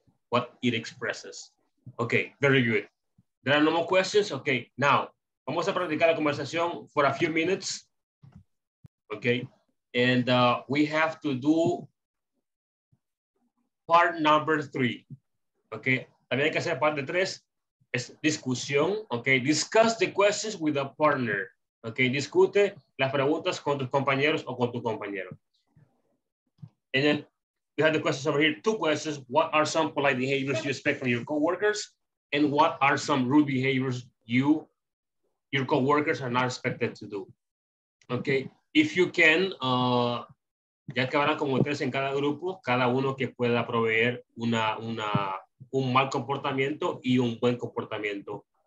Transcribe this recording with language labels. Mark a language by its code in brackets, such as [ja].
[en] What it expresses. Okay, very good. There are no more questions? Okay, now, vamos a practicar la conversación for a few minutes. Okay? And we have to do part number three. Okay? [es] También hay que hacer parte tres, es discusión, okay? Discuss the questions with a partner, okay? Discute las preguntas con tus compañeros o con tu compañero. [en] And then we have the questions over here, two questions. What are some polite behaviors you expect from your coworkers? And what are some rude behaviors you, your coworkers are not expected to do? [es] Okay, if you can, ya que habrá como tres en cada grupo, cada uno que pueda proveer un mal comportamiento y un buen comportamiento.